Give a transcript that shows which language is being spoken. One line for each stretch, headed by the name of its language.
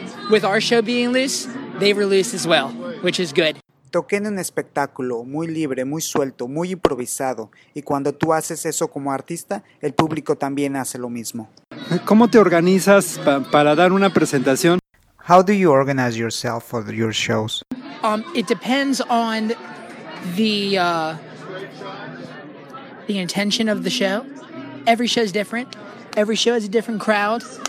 English: With our show being loose, they were loose as well, which is good.
Spanish: Toqué en un espectáculo muy libre, muy suelto, muy improvisado, y cuando tú haces eso como artista, el público también hace lo mismo. ¿Cómo te organizas para dar una presentación?
English: How do you organize yourself for your shows? It depends on the intention of the show. Every show is different. Every show has a different crowd.